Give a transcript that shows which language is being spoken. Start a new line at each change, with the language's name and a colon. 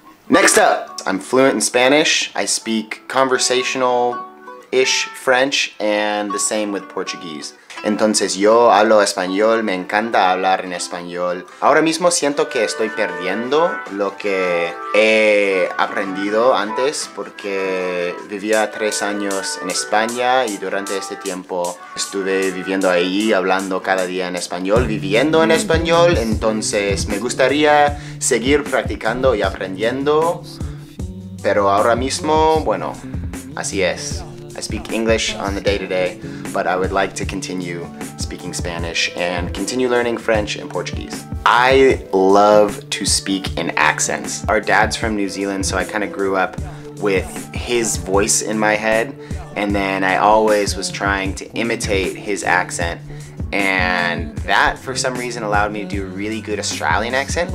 English: Next up, I'm fluent in Spanish. I speak conversational-ish French, and the same with Portuguese.
Spanish: Entonces yo hablo español, me encanta hablar en español. Ahora mismo siento que estoy perdiendo lo que he aprendido antes porque vivía 3 años en España y durante este tiempo estuve viviendo ahí, hablando cada día en español, viviendo en español. Entonces me gustaría seguir practicando y aprendiendo, pero ahora mismo, bueno, así es.
English: I speak English on the day-to-day, but I would like to continue speaking Spanish and continue learning French and Portuguese. I love to speak in accents. Our dad's from New Zealand, so I kind of grew up with his voice in my head, and then I always was trying to imitate his accent, and that, for some reason, allowed me to do a really good Australian accent.